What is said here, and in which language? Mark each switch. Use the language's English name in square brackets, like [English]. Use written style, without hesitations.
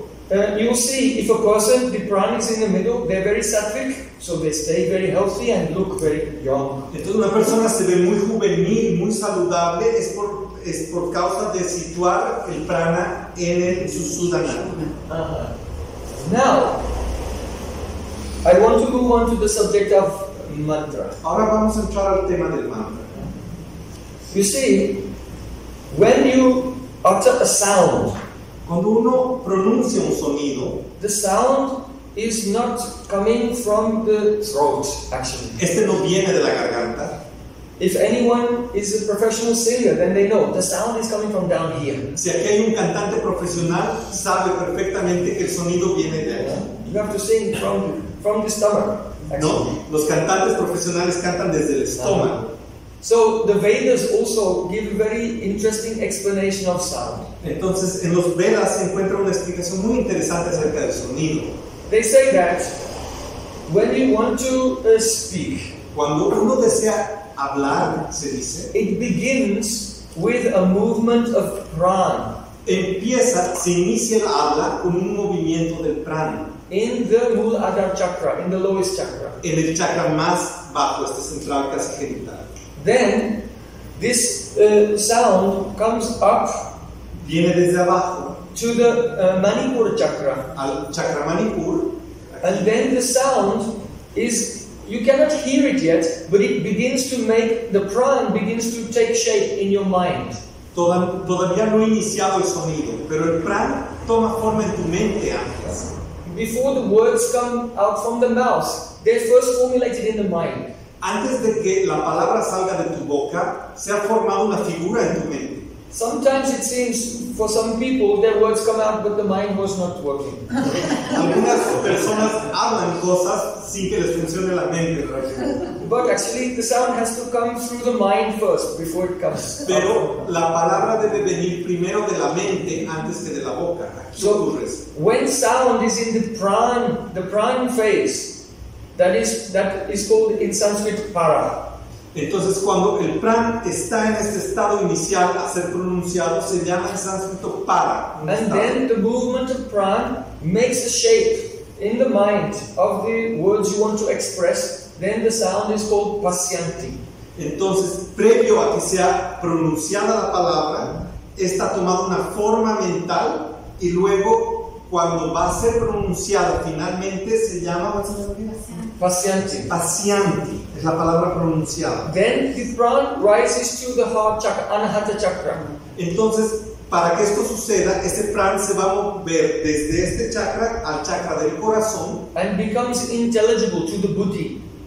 [English] You'll see if a person, the prana is in the middle, they're very sattvic, so they stay very healthy and look very young. [Spanish] Entonces una persona se ve muy juvenil, muy saludable, es por causa de situar el prana en el Shushumna. [English] Now, I want to move on to the subject of mantra. [Spanish] Ahora vamos a entrar al tema del mantra. [English] You see, when you utter a sound, [Spanish] cuando uno pronuncia un sonido, [English] the sound is not coming from the throat, actually. [Spanish] Este no viene de la garganta. [English] If anyone is a professional singer, then they know the sound is coming from down here. [Spanish] Si aquí hay un cantante profesional, sabe perfectamente que el sonido viene de aquí. [English] You have to sing from the stomach, actually. [Spanish] No, los cantantes profesionales cantan desde el estómago. [English] So the Vedas also give a very interesting explanation of sound. [Spanish] Entonces, en los Vedas se encuentra una explicación muy interesante acerca del sonido. [English] They say that when you want to speak, [Spanish] cuando uno desea hablar, se dice, [English] it begins with a movement of prana. [Spanish] Empieza, se inicia el habla con un movimiento del prana. [English] In the Muladhara chakra, in the lowest chakra. [Spanish] En el chakra más bajo, este central casi genital. [English] Then this sound comes up, [Spanish] viene desde abajo, [English] to the Manipur chakra, [Spanish] al chakra Manipur, [English] and then the sound is, you cannot hear it yet, but it begins to make, the prana begins to take shape in your mind. [Spanish] Todavía no he iniciado el sonido, pero el prana toma forma en tu mente antes. [English] Before the words come out from the mouth, they're first formulated in the mind. [Spanish] Antes de que la palabra salga de tu boca, se ha formado una figura en tu mente. [English] Sometimes it seems for some people their words come out, but the mind was not working. [Spanish] Algunas personas hablan cosas sin que les funcione la mente. [English] But actually, the sound has to come through the mind first before it comes. [Spanish] Pero la palabra debe venir primero de la mente antes que de la boca. [English] So when sound is in the prime phase, that is called in Sanskrit para. [Spanish] Entonces, cuando el pran está en este estado inicial a ser pronunciado, se llama en sánscrito para. [English] And then the movement of pran makes a shape in the mind of the words you want to express. Then the sound is called pasyanti. [Spanish] Entonces, previo a que sea pronunciada la palabra, está tomando una forma mental y luego, cuando va a ser pronunciada finalmente, se llama pasyanti. Pasyanti. La palabra pronunciada. [English] Then the prana rises to the heart chakra, anahata chakra. [Spanish] Entonces, para que esto suceda, este prana se va a mover desde este chakra al chakra del corazón. [English] And becomes intelligible to the buddhi.